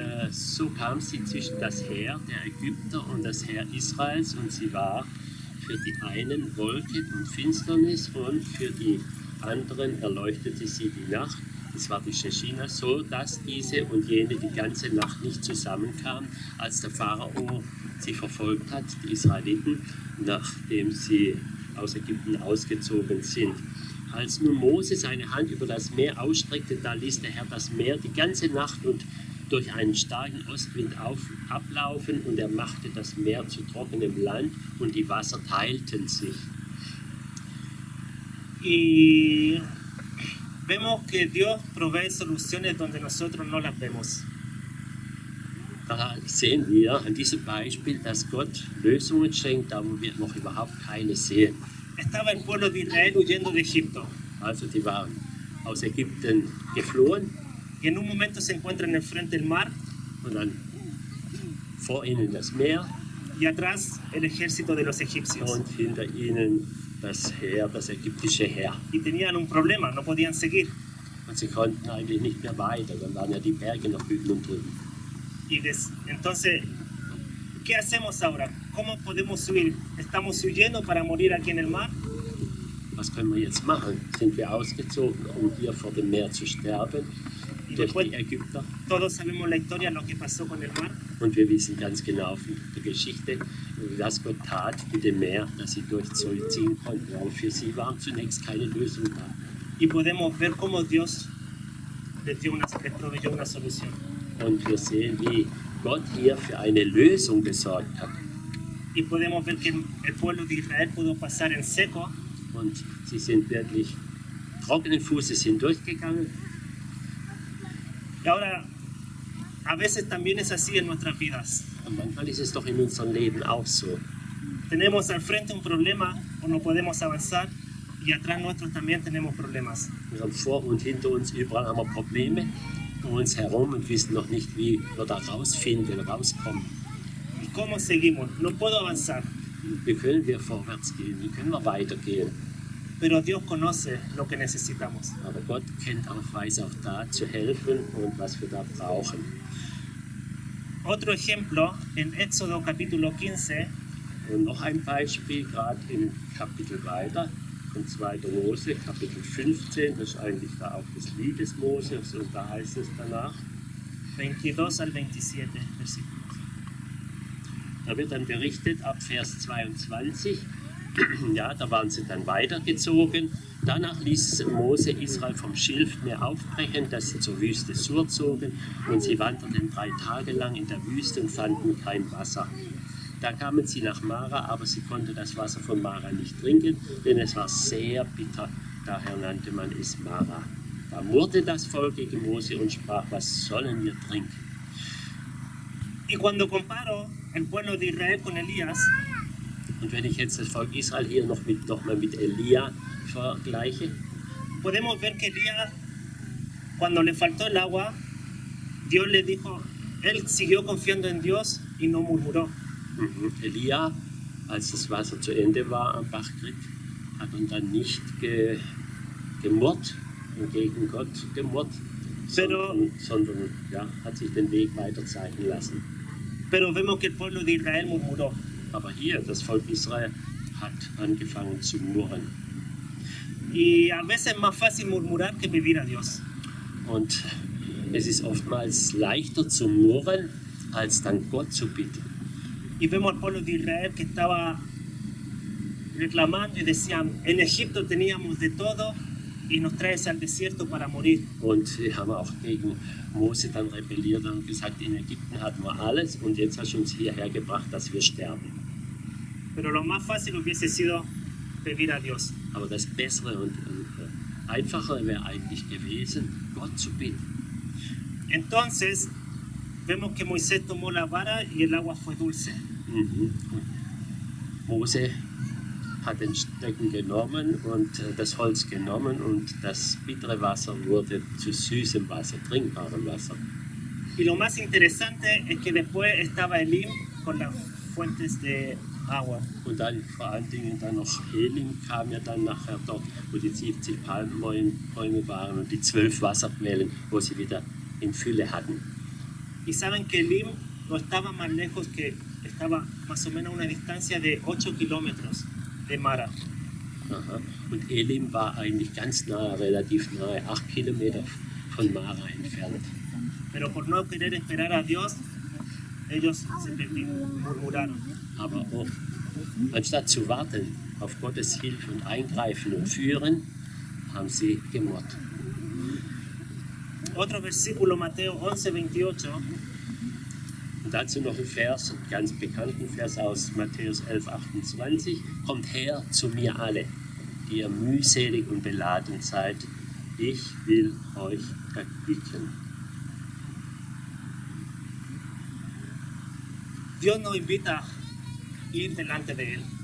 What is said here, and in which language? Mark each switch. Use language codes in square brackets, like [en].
[de] So kam sie zwischen das Heer der Ägypter und das Heer Israels und sie war für die einen Wolke und Finsternis und für die anderen erleuchtete sie die Nacht, es war die Schechina, so dass diese und jene die ganze Nacht nicht zusammenkamen, als der Pharao sie verfolgt hat, die Israeliten, nachdem sie aus Ägypten ausgezogen sind. Als nun Mose seine Hand über das Meer ausstreckte, da ließ der Herr das Meer die ganze Nacht und durch einen starken Ostwind ablaufen und er machte das Meer zu trockenem Land und die Wasser teilten sich. [es] Y vemos que Dios provee soluciones donde nosotros no las vemos. [de] Da sehen wir an diesem Beispiel, dass Gott Lösungen schenkt, da wo wir noch überhaupt keine sehen. [es] Estaba el pueblo de Israel huyendo de Egipto. [de] Also die waren aus Ägypten geflohen. [es] Y en un momento se encuentran enfrente del mar. [de] Und dann vor ihnen das Meer. [es] Y atrás el ejército de los egipcios. [de] Und hinter ihnen das Heer, das ägyptische Heer. [es] Y tenían un problema, no podían seguir. [de] Und sie konnten eigentlich nicht mehr weiter, dann waren ja die Berge noch hüben und drüben. [es] Y entonces, ¿qué hacemos ahora? ¿Cómo podemos huir? ¿Estamos huyendo para morir aquí en el mar? [de] Was können wir jetzt machen? Sind wir ausgezogen, um hier vor dem Meer zu sterben? Durch die Ägypter. [es] Todos sabemos la historia, lo que pasó con el mar. [de] Und wir wissen ganz genau von der Geschichte, was Gott tat mit dem Meer, dass sie durchziehen konnten. Und für sie waren zunächst keine Lösung da. [es] Y podemos ver cómo Dios le proveyó una solución. [de] Und wir sehen, wie Gott hier für eine Lösung gesorgt hat. [es] Y podemos ver que el pueblo de Israel pudo pasar en seco. [de] Und sie sind wirklich trockenen Fußes hindurchgegangen. [es] Y ahora, a veces también es así en nuestras vidas. [de] Und manchmal ist es doch in unserem Leben auch so. [es] Tenemos al frente un problema o no podemos avanzar y atrás nuestros también tenemos problemas. [de] Wir haben vor und hinter uns überall haben wir Probleme um uns herum und wissen noch nicht, wie wir da rausfinden, rauskommen. [es] ¿Y cómo seguimos? No puedo avanzar. [de] Wie können wir vorwärts gehen? Wie können wir weitergehen? [es] Pero Dios conoce lo que necesitamos. [de] Aber Gott kennt auch, weiß auch da zu helfen und was wir da brauchen. [es] Otro ejemplo en Éxodo capítulo 15. [de] Und noch ein Beispiel, gerade im Kapitel weiter, in 2. Mose, Kapitel 15, das ist eigentlich da auch das Lied des Moses und da heißt es danach. [es] 22-27. [de] Da wird dann berichtet ab Vers 22. Ja, da waren sie dann weitergezogen. Danach ließ Mose Israel vom Schilfmeer aufbrechen, dass sie zur Wüste Sur zogen. Und sie wanderten 3 Tage lang in der Wüste und fanden kein Wasser. Da kamen sie nach Mara, aber sie konnte das Wasser von Mara nicht trinken, denn es war sehr bitter. Daher nannte man es Mara. Da murrte das Volk gegen Mose und sprach, was sollen wir trinken? [es] Y cuando comparo el pueblo de Israel con Elías, [de] und wenn ich jetzt das Volk Israel hier noch mit doch mal mit Elia vergleiche, [es] podemos ver que Elía, cuando le faltó el agua, Dios le dijo, él siguió confiando en Dios y no murmuró. [de] Elía, als das Wasser zu Ende war am Bachkrit, hat und dann nicht gemurrt und gegen Gott gemurrt, sondern hat sich den Weg weiter zeigen lassen. [es] Pero vemos que el pueblo de Israel murmuró. [de] Aber hier, das Volk Israel hat angefangen zu murren. [es] Y a veces es más fácil murmurar que pedir a Dios. [de] Und es ist oftmals leichter zu murren, als dann Gott zu bitten. [es] Y vemos al pueblo de Israel que estaba reclamando y decía, en Egipto teníamos de todo y nos traes al desierto para morir. [de] Und sie haben auch gegen Mose dann rebelliert und gesagt, in Ägypten hatten wir alles und jetzt hast du uns hierher gebracht, dass wir sterben. [es] Pero lo más fácil hubiese sido pedir a Dios. [de] Aber das Bessere und Einfachere wäre eigentlich gewesen, Gott zu bitten. [es] Entonces, vemos que Moisés tomó la vara y el agua fue dulce. [de] Mose hat den Stecken genommen und das Holz genommen und das bittere Wasser wurde zu süßem Wasser, trinkbarem Wasser. [es] Y lo más interesante es que después estaba Elim con las fuentes de agua. [de] Und dann vor allen Dingen dann noch Elim kam ja dann nachher dort, wo die 70 Palmenbäume waren und die 12 Wasserquellen, wo sie wieder in Fülle hatten. [es] Y saben que Elim no estaba más lejos que estaba más o menos a una distancia de 8 kilómetros. Mara. [de] Und Elim war eigentlich ganz nahe, relativ nahe, 8 Kilometer von Mara entfernt. [es] Pero por no querer esperar a Dios, ellos se murmuraron. [de] Aber anstatt zu warten auf Gottes Hilfe und Eingreifen und Führen, haben sie gemurrt. [es] Otro versículo, Mateo 11:28. [de] Und dazu noch ein Vers, einen ganz bekannten Vers aus Matthäus 11:28. Kommt her zu mir alle, die ihr mühselig und beladen seid. Ich will euch erquicken. [es] Dios nos invita ir delante de él.